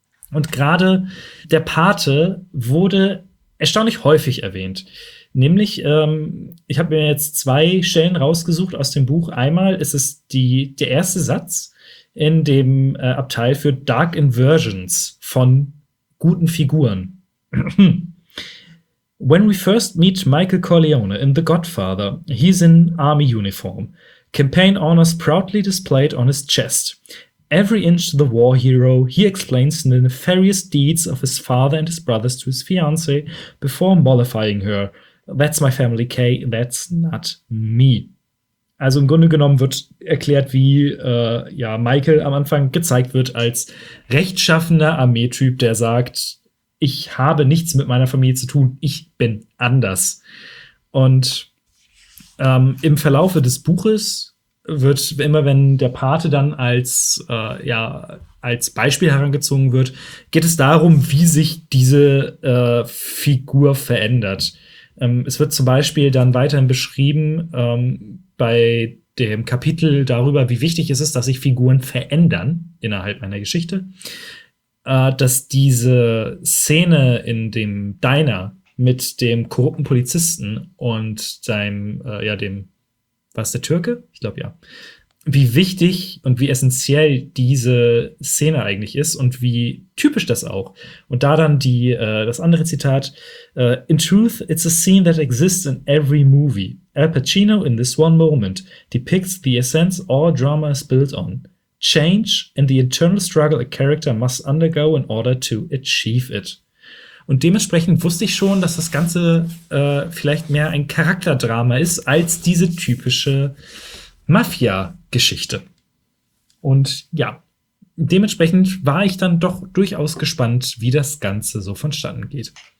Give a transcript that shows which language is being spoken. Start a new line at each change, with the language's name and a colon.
German: Und gerade der Pate wurde erstaunlich häufig erwähnt. Nämlich, ich habe mir jetzt zwei Stellen rausgesucht aus dem Buch. Einmal ist es der erste Satz in dem Abteil für Dark Inversions von guten Figuren.
English: When we first meet Michael Corleone in The Godfather, he's in army uniform. Campaign honors proudly displayed on his chest. Every inch the war hero, he explains the nefarious deeds of his father and his brothers to his fiancée before mollifying her. That's my family, Kay. That's not me.
German: Also im Grunde genommen wird erklärt, wie ja, Michael am Anfang gezeigt wird als rechtschaffender Armeetyp, der sagt, ich habe nichts mit meiner Familie zu tun, ich bin anders. Und im Verlaufe des Buches wird immer, wenn der Pate dann als ja, als Beispiel herangezogen wird, geht es darum, wie sich diese Figur verändert. Es wird zum Beispiel dann weiterhin beschrieben bei dem Kapitel darüber, wie wichtig es ist, dass sich Figuren verändern innerhalb meiner Geschichte, dass diese Szene in dem Diner mit dem korrupten Polizisten und seinem, ja, dem, war es der Türke? Ich glaube, ja. Wie wichtig und wie essentiell diese Szene eigentlich ist und wie typisch das auch. Und da dann die das andere Zitat.
English: In truth, it's a scene that exists in every movie. Al Pacino in this one moment depicts the essence all drama is built on. Change and the internal struggle a character must undergo in order to achieve it.
German: Und dementsprechend wusste ich schon, dass das Ganze vielleicht mehr ein Charakterdrama ist als diese typische Mafia-Geschichte. Und ja, dementsprechend war ich dann doch durchaus gespannt, wie das Ganze so vonstatten geht.